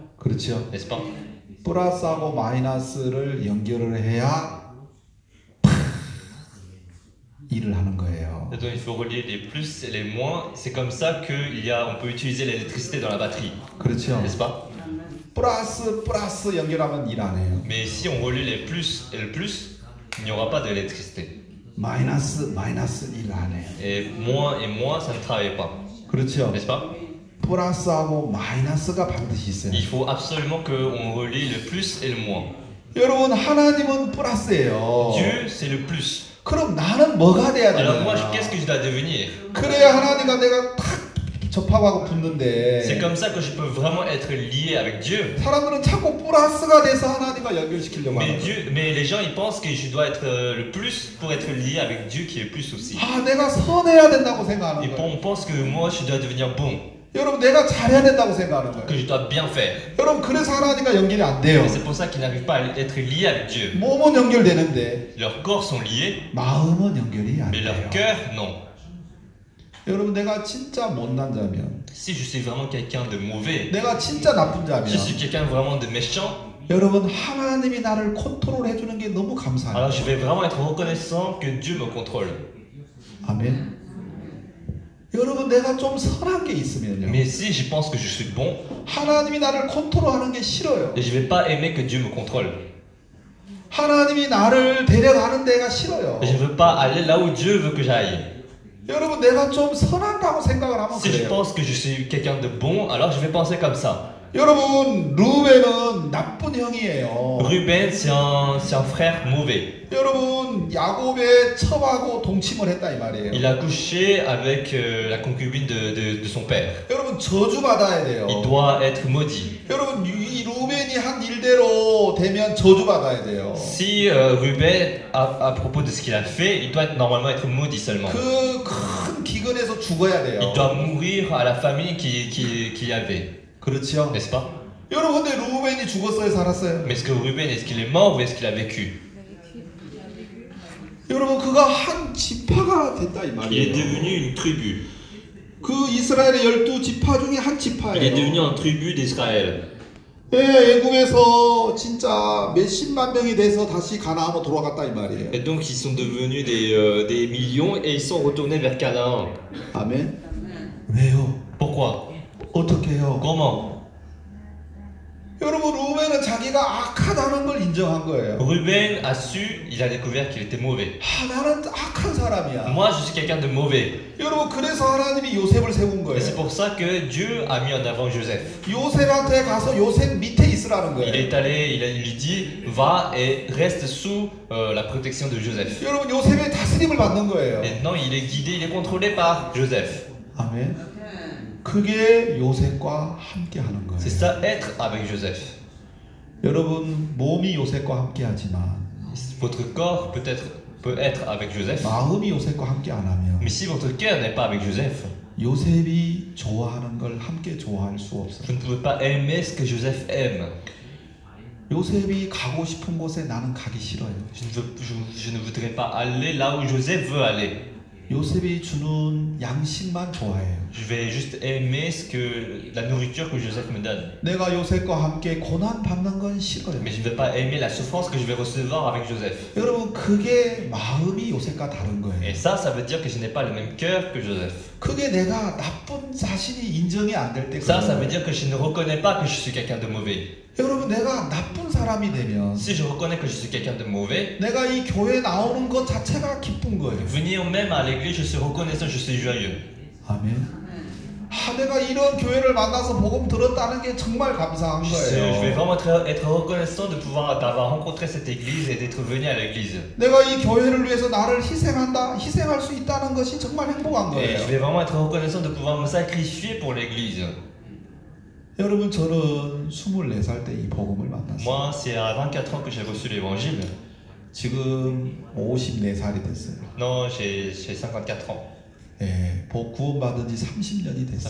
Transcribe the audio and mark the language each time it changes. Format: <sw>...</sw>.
<ko>그렇죠.</ko> <fr>N'est-ce pas?</fr> <ko>플러스하고 마이너스를 연결을 해야 팍 일을 하는 거예요.</ko> <fr>Et donc il faut relier les plus et les moins. C'est comme ça que on peut utiliser l'électricité dans la batterie.</fr> <ko>그렇죠.</ko> <fr>N'est-ce pas?</fr> <ko>플러스 플러스 연결하면 일 안 해요.</ko> <fr>Mais si on relie les plus et le plus, il n'y aura pas d'électricité.</fr> <ko>마이너스 마이너스 일 안 해요.</ko> <fr>Et moins et moins, ça ne travaille pas.</fr> <ko>그렇죠.</ko> <fr>N'est-ce pas?</fr> <ko>플러스하고 마이너스가 반드시 있어요.</ko> <fr>Il faut absolument que on relie le plus et le moins.</fr> <ko>여러분 하나님은 플러스예요.</ko> <fr>Dieu, c'est le plus.</fr> <ko>그럼 나는 뭐가 돼야 되나?</ko> <fr>Alors moi, qu'est-ce que je dois devenir?</fr> <ko>그래야 하나님과 내가 탁 접하고 붙는데.</ko> <fr>C'est comme ça que je peux vraiment être lié avec Dieu.</fr> <ko>사람들은 자꾸 플러스가 돼서 하나님과 연결시키려고 하는데.</ko> <fr>Mais les gens ils pensent que je dois être le plus pour être lié avec Dieu qui est plus aussi.</fr> <ko>아, 내가 선해야 된다고 생각하는 거예요.</ko> <fr>Et on pense que moi je dois devenir bon.</fr> <ko>여러분 내가 잘해야 된다고 생각하는 거예요.</ko> <fr>Que je dois bien faire.</fr> <ko>여러분 그래서 하나님과 연결이 안 돼요.</ko> <fr>C'est pour ça qu'ils n'arrivent pas à être liés avec Dieu.</fr> <ko>몸은 연결되는데.</ko> <fr>Leurs corps sont liés.</fr> <ko>마음은 연결이 안 돼요.</ko> <fr>Mais leur cœur non.</fr> <ko>여러분 내가 진짜 못난 자면</ko> <fr>Si je suis vraiment quelqu'un de mauvais</fr> <ko>내가 진짜 나쁜 자면</ko> <fr>Si je suis quelqu'un vraiment de méchant</fr> <ko>여러분 하나님이 나를 컨트롤 해주는 게 너무 감사해요.</ko> <fr>Alors je vais vraiment être reconnaissant que Dieu me contrôle.</fr> <ko>아멘. 여러분 내가 좀 선한 게 있으면요</ko> <fr>Mais si je pense que je suis bon</fr> <ko>하나님이 나를 컨트롤하는 게 싫어요.</ko> <fr>Et je vais pas aimer que Dieu me contrôle.</fr> <ko>하나님이 나를 데려가는 데가 싫어요.</ko> <fr>Et je veux pas aller là où Dieu veut que j'aille.</fr> <ko>여러분 내가 좀 선한다고 생각을 하면 그래요.</ko> <fr>Si je pense que je suis quelqu'un de bon, alors je vais penser comme ça.</fr> <ko>여러분 루벤은 나쁜 형이에요.</ko> <fr>Ruben c'est un frère mauvais.</fr> <ko>여러분 야곱의 처하고 동침을 했다 이 말이에요.</ko> <fr>Il a couché avec la concubine de son père.</fr> <ko>여러분 저주 받아야 돼요.</ko> <fr>Il doit être maudit.</fr> <ko>여러분 이 루벤이 한 일대로 되면 저주 받아야 돼요.</ko> <fr>Si Ruben à propos de ce qu'il a fait, il doit normalement être maudit seulement.</fr> <ko>그 큰 기근에서 죽어야 돼요.</ko> <fr>Il doit mourir à la famine qu'il avait.</fr> <ko>그렇죠.</ko> <fr>N'est-ce pas?</fr> <ko>여러분 근데 루벤이 죽었어요, 살았어요?</ko> <fr>Mais est-ce que Ruben est-ce qu'il est mort ou est-ce qu'il a vécu?</fr> <ko>여러분 그가 한 지파가 됐다 이 말이에요.</ko> <fr>Il est devenu une tribu.</fr> <ko>그 이스라엘의 열두 지파 중에 한 지파예요.</ko> <fr>Il est devenu une tribu d'Israël.</fr> <ko>예, 애굽에서 진짜 몇십만 명이 돼서 다시 가나안으로 돌아갔다 이 말이에요.</ko> <fr>Et donc ils sont devenus des millions et ils sont retournés vers Canaan.</fr> <ko>아멘. 왜요?</ko> <fr>Pourquoi?</fr> <ko>어떻게 해요?</ko> <fr>Comment?</fr> <ko>여러분 루벤은 자기가 악하다는 걸 인정한 거예요.</ko> <fr>Ruben a su, il a découvert qu'il était mauvais.</fr> <ko>아, 나는 악한 사람이야.</ko> <fr>Moi, je suis quelqu'un de mauvais.</fr> <ko>여러분 그래서 하나님이 요셉을 세운 거예요.</ko> <fr>Et c'est pour ça que Dieu a mis en avant Joseph.</fr> <ko>요셉한테 가서 요셉 밑에 있으라는 거예요.</ko> <fr>Il est allé, il lui dit, va et reste sous la protection de Joseph.</fr> <ko>여러분 요셉의 다스림을 받는 거예요.</ko> <fr>Maintenant, il est guidé, il est contrôlé par Joseph.</fr> <ko>아멘. 그게 요셉과 함께 하는 거예요.</ko> <fr>C'est ça être avec Joseph.</fr> <ko>여러분 몸이 요셉과 함께 하지만</ko> <fr>votre corps peut être avec Joseph.</fr> <ko>마음이 요셉과 함께 안 하면</ko> <fr>Mais si votre cœur n'est pas avec Joseph.</fr> <ko>요셉이 좋아하는 걸 함께 좋아할 수 없어요.</ko> <fr>Vous ne pouvez pas aimer ce que Joseph aime.</fr> <ko>요셉이 가고 싶은 곳에 나는 가기 싫어요.</ko> <fr>Je ne voudrais pas aller là où Joseph veut aller.</fr> <ko>요셉이 주는 양식만 좋아해요.</ko> <fr>Je vais juste aimer ce que la nourriture que Joseph me donne.</fr> <ko>내가 요셉과 함께 고난 받는 건 싫어요.</ko> <fr>Mais je vais pas aimer la souffrance que je vais recevoir avec Joseph.</fr> <ko>여러분, 그게 마음이 요셉과 다른 거예요.</ko> <fr>Et ça, ça veut dire que je n'ai pas le même cœur que Joseph.</fr> <ko>그게 내가 나쁜 자신이 인정이 안 될 때.</ko> <fr>Ça, ça veut dire que je ne reconnais pas que je suis quelqu'un de mauvais.</fr> <ko>여러분, 내가 나쁜 사람이 되면</ko> <fr>si je reconnais que je suis quelqu'un de mauvais,</fr> <ko>내가 이 교회 나오는 것 자체가 기쁜 거예요.</ko> <fr>Venir même à l'église, je suis reconnaissant, je suis joyeux.</fr> <ko>아멘. 아, 내가 이런 교회를 만나서 복음 들었다는 게 정말 감사한 거예요.</ko> <fr>Je vais vraiment être reconnaissant de pouvoir d'avoir rencontré cette église et d'être venu à l'église.</fr> <ko>내가 이 교회를 위해서 나를 희생한다, 희생할 수 있다는 것이 정말 행복한 거예요.</ko> <fr>Je vais vraiment être reconnaissant de pouvoir me sacrifier pour l'église.</fr> <ko>여러분, 저는 24살 때 이 복음을 만났어요.</ko> <fr>Moi, c'est à 24 ans que j'ai reçu l'évangile.</fr> <ko>지금 54살이 됐어요.</ko> <fr>Non, j'ai 54 ans.</fr> <ko>예, 복음 받은 지 30년이 됐어요.</ko>